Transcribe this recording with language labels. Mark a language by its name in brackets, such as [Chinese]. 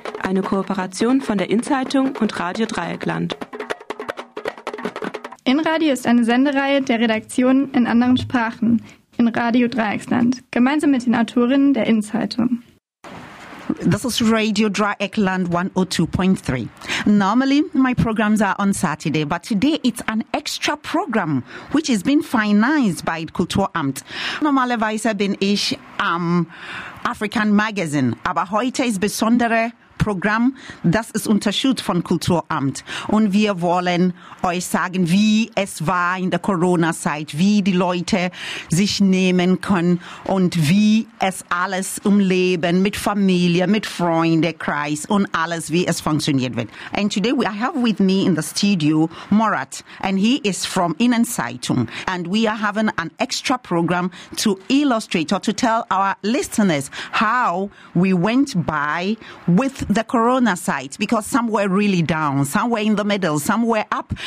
[German] Eine Kooperation von der InZeitung und Radio Dreieckland. InRadio ist eine Sendereihe der Redaktion in anderen Sprachen in Radio Dreiecksland, gemeinsam mit den Autorinnen der InZeitung. [English] This is Radio Dreieckland 102.3. Normally, my programs are on Saturday, but today it's an extra program, which is being financed by Kulturamt. [German] Normalerweise bin ich am African Magazine, aber heute ist besondere Programm, das ist unterstützt von Kulturamt. Und wir wollen euch sagen, wie es war in der Corona-Zeit, wie die Leute sich nehmen können und wie es alles im Leben mit Familie, mit Freunden, Kreis und alles, wie es funktioniert wird. [English] And today I have with me in the studio Morat, and he is from InnenZeitung. And we are having an extra program to illustrate or to tell our listeners how we went by with the corona site, because some were really down, some were in the middle, some were up.